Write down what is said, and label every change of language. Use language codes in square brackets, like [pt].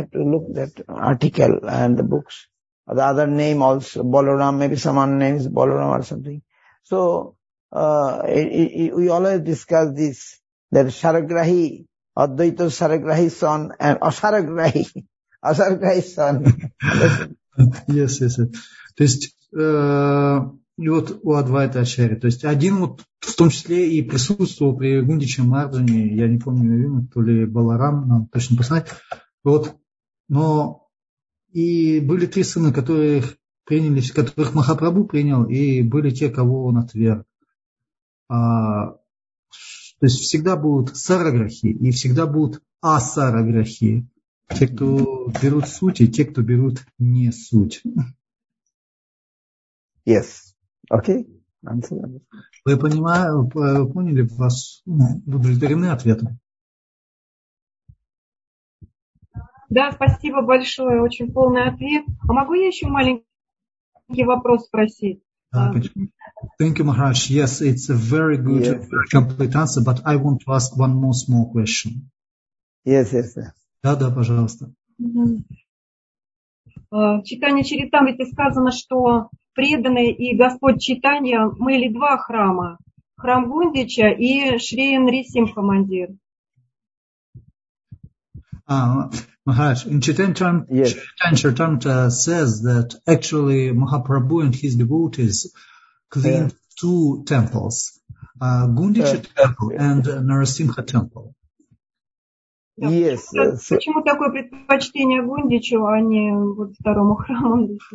[en] I have to look that article and the books. The other name also, Balaram, maybe someone's name is Balaram or something. So, we always discuss this, that Saragrahi, Advaita Saragrahi son, and Asaragrahi, Asaragrahi son. Yes. [ru] То есть, и вот у Адвайта Ачарьи, то есть один вот, в том числе и присутствовал при Гундиче Мардане, я не помню имя, то ли Баларам, нам точно посмотреть. Вот, но... И были три сына, которых Махапрабху принял, и были те, кого он отверг. То есть всегда будут сараграхи и всегда будут асараграхи. Те, кто берут суть, и те, кто берут не суть. [en] Yes. Okay. [ru] Вы поняли вас, удовлетворены ответом? Да, спасибо большое, очень полный ответ. А могу я еще маленький вопрос спросить? [en] Thank you, Maharaj. Yes, it's a very good complete answer, but I want to ask one more small question. Yes. [ru] Да, пожалуйста. Читание Чаритамриты сказано, что преданные и Господь Читания мыли два храма. Храм Гундича и Шри Нрисимха Мандир. [en] Maharaj, in Chaitanya Charitamrita says that actually Mahaprabhu and his devotees cleaned two temples, Gundicha temple and Narasimha temple. Yes. [ru] Почему такое предпочтение Гундичу, а не вот второму храму?